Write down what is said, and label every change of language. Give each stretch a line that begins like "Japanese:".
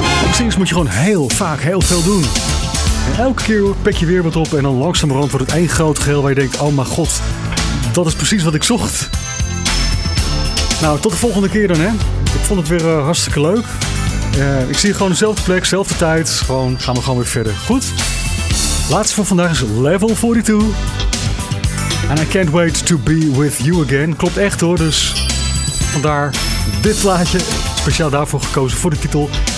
Dutch: Precies, moet je gewoon heel vaak heel veel doen. En elke keer pik je weer wat op en dan langzamerhand wordt het één groot geheel waar je denkt, oh mijn god, dat is precies wat ik zocht. Nou, tot de volgende keer dan, hè. Ik vond het weer hartstikke leuk. Ik zie je gewoon dezelfde plek, dezelfde tijd. Gewoon, gaan we gewoon weer verder. Goed. Laatste van vandaag is Level 42.
English: And I can't wait to be with you again.
Dutch: Klopt echt, hoor. Dus vandaar dit plaatje. Speciaal daarvoor gekozen voor de titel.